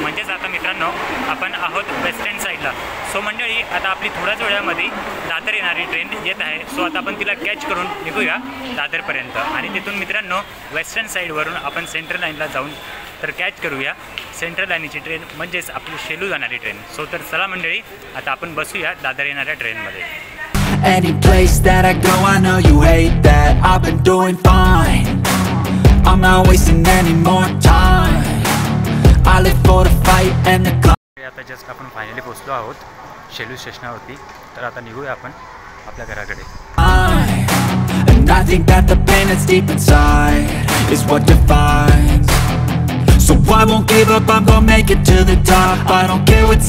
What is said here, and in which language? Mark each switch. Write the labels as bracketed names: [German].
[Marathi] म्हणजेच आता मित्रांनो आपण आहोत वेस्टर्न साईडला. सो मंडळी आता आपली थोड्याच वेळामध्ये दादर येणारी ट्रेन येत आहे. सो आता आपण तिला कॅच करून निघूया दादरपर्यंत. आणि तिथून मित्रांनो वेस्टर्न साईडवरून आपण सेंट्रल लाईनला जाऊन तर कॅच करूया सेंट्रल लाईनीची ट्रेन म्हणजेच आपली शेलू जाणारी ट्रेन. सो तर चला मंडळी आता आपण बसूया दादर येणाऱ्या ट्रेनमध्ये. [English] Any place that I go, I know you hate that. I've been doing fine, I'm not wasting any more time. I live for the fight and the climb. [Marathi] आता जस्ट आपण finally पोहोचलो आहोत शेलू स्टेशनावरती. तर आता निघूया आपण आपल्या घराकडे. [English] And I think that the pain that's deep inside is what defines. So I won't give up, I'm gonna make it to the top. I don't care what's